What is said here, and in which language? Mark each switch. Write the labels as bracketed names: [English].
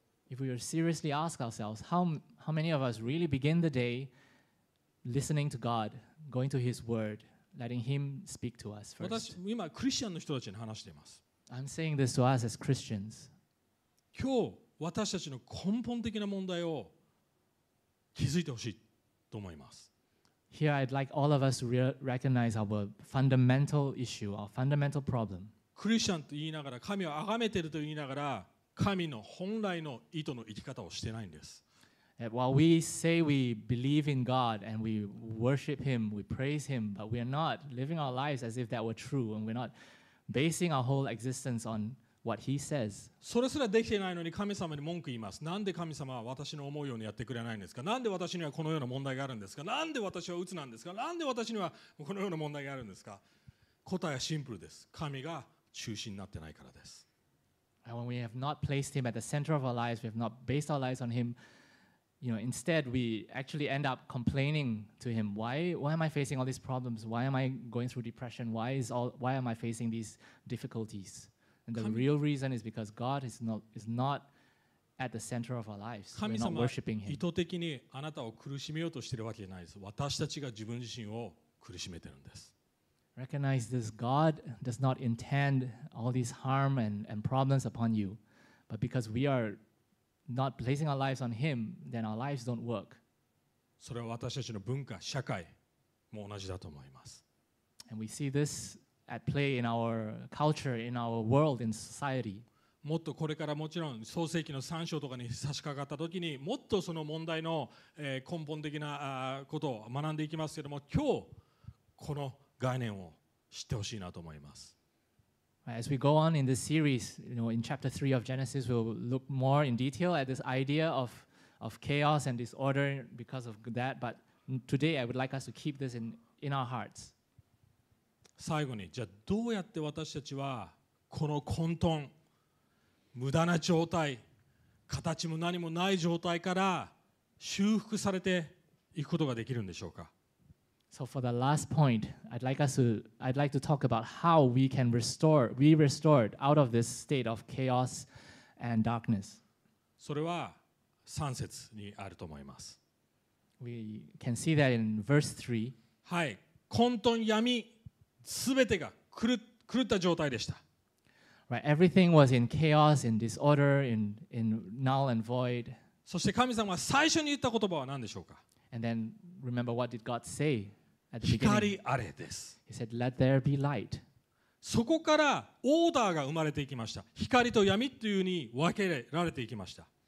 [English] If we were seriously ask ourselves, how many of us really begin the day listening to God, going to His word? Letting him speak to us first. [Japanese] 私今クリスチャンの人たちに話しています。 [English] I'm saying this to us as Christians. [Japanese] 今日私たちの根本的な問題を気づいてほしいと思います。 [English] Here I'd like all of us to recognize our fundamental issue, our fundamental problem. [Japanese] クリスチャンと言いながら神を崇めていると言いながら神の本来の意図の生き方をしていないんです。 [English] While we say we believe in God and we worship Him, we praise Him, but we are not living our lives as if that were true, and we're not basing our whole existence on what He says. [Japanese] それすらできていないのに神様に文句言います。なんで神様は私の思うようにやってくれないんですか？なんで私にはこのような問題があるんですか？なんで私は鬱なんですか？なんで私にはこのような問題があるんですか？答えはシンプルです。神が中心になってないからです。 [English] And when we have not placed Him at the center of our lives, we have not based our lives on Him,You know, instead, we actually end up complaining to him. Why am I facing all these problems? Why am I going through depression? Why am I facing these difficulties? And the real reason is because God is not at the center of our lives. We're not worshiping him. [Japanese] 神様は意図的にあなたを苦しめようとしているわけじゃないです。私たちが自分自身を苦しめているんです。 [English] Recognize this. God does not intend all these harm and problems upon you. But because we are... Not placing our lives on Him, then our lives don't work. [Japanese] それは私たちの文化、社会も同じだと思います。 [English] And we see this at play in our culture, in our world, in society. [Japanese] もっとこれからもちろん創世記の3章とかに差し掛かった時にもっとその問題の根本的なことを学んでいきますけれども今日この概念を知ってほしいなと思います。 [English] As we go on in this series, you know, in chapter 3 of Genesis, we'll look more in detail at this idea of chaos and disorder because of that. But today, I would like us to keep this in our hearts. [Japanese] 最後に、じゃあどうやって私たちはこの混沌、無駄な状態、形も何もない状態から修復されていくことができるんでしょうか。 [English] So for the last point, I'd like to talk about how we can restored out of this state of chaos and darkness. [Japanese] それは3節にあると思います。 [English] We can see that in verse 3. [Japanese] はい、混沌闇、すべてが狂った状態でした。 [English] Right, everything was in chaos, in disorder, in null and void. [Japanese] そして神様は最初に言った言葉は何でしょうか。 [English] And then remember what did God say? [Japanese] 光あれです。 [English] He said, "Let there be light." [Japanese] そこからオーダーが生まれていきました。光と闇というふうに分けられていきました。